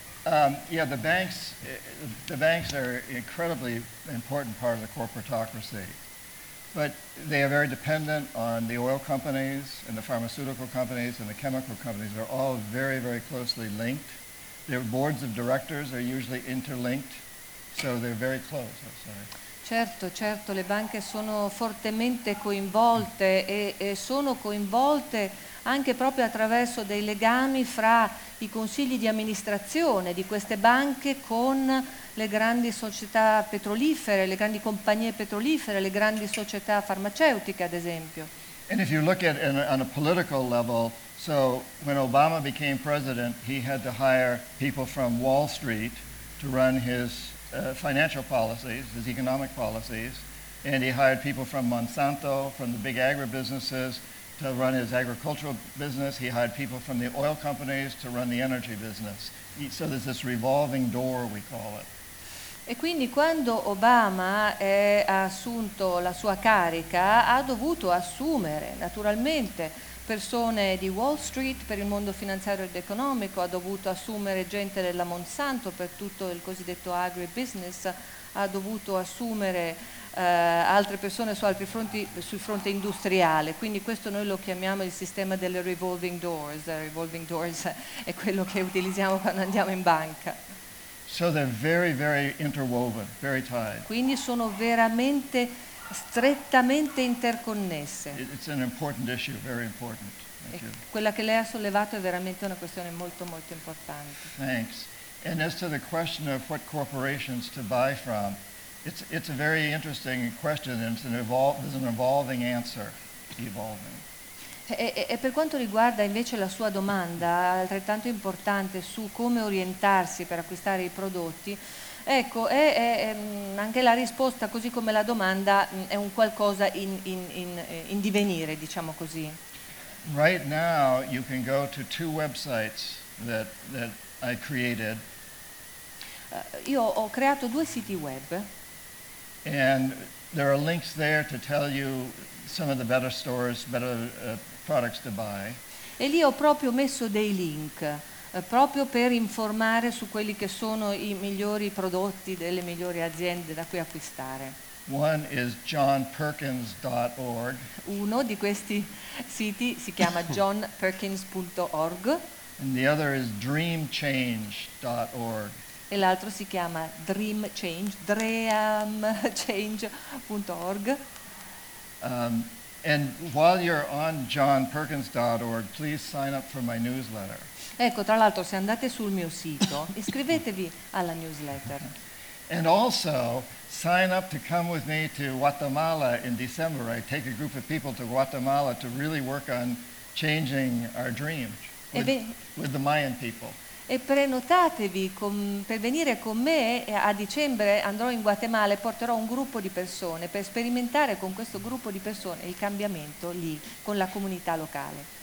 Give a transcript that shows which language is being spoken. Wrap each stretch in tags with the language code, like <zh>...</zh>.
<en>The banks are an incredibly important part of the corporatocracy. But they are very dependent on the oil companies and the pharmaceutical companies and the chemical companies. They're all very, very closely linked. Their boards of directors are usually interlinked, so they're very close. Oh, sorry.</en> <it>Certo, certo, le banche sono fortemente coinvolte e sono coinvolte anche proprio attraverso dei legami fra i consigli di amministrazione di queste banche con le grandi società petrolifere, le grandi compagnie petrolifere, le grandi società farmaceutiche, ad esempio.</it> <en>And if you look at it on a political level, so when Obama became president, he had to hire people from Wall Street to run his financial policies, his economic policies, and he hired people from Monsanto, from the big agribusinesses, to run his agricultural business. He hired people from the oil companies to run the energy business. So there's this revolving door, we call it.</en> <it>E quindi quando Obama ha assunto la sua carica, ha dovuto assumere naturalmente persone di Wall Street per il mondo finanziario ed economico, ha dovuto assumere gente della Monsanto per tutto il cosiddetto agribusiness, ha dovuto assumere altre persone su altri fronti, sul fronte industriale. Quindi questo noi lo chiamiamo il sistema delle revolving doors. Revolving doors è quello che utilizziamo quando andiamo in banca.</it> <en>So they're very, very interwoven, very tied.</en> <it>Quindi sono veramente strettamente interconnesse.</it> <en>It's an important issue, very important. Thank you.</en> <it>Quella che lei ha sollevato è veramente una questione molto, molto importante.</it> <en>Thanks. And as to the question of what corporations to buy from, it's a very interesting question, and it's an evolving answer. Evolving.</en> <it>E per quanto riguarda invece la sua domanda, altrettanto importante, su come orientarsi per acquistare i prodotti, ecco, è anche la risposta, così come la domanda, è un qualcosa in divenire, diciamo così.</it> <en>Right now you can go to two websites that I created.</en> <it>Io ho creato due siti web.</it> <en>And there are links there to tell you some of the better stores, better products to buy.</en> <it>E lì ho proprio messo dei link proprio per informare su quelli che sono i migliori prodotti delle migliori aziende da cui acquistare.</it> <en>One is johnperkins.org.</en> <it>Uno di questi siti si chiama johnperkins.org.</it> <en>And the other is dreamchange.org.</en> <it>E l'altro si chiama dreamchange.org.</it> <en>And while you're on johnperkins.org, please sign up for my newsletter.</en> <it>Ecco, tra l'altro, se andate sul mio sito, iscrivetevi alla newsletter.</it> <en>And also, sign up to come with me to Guatemala in December. I take a group of people to Guatemala to really work on changing our dream with the Mayan people.</en> <it>E prenotatevi per venire con me a dicembre, andrò in Guatemala e porterò un gruppo di persone per sperimentare con questo gruppo di persone il cambiamento lì con la comunità locale.</it>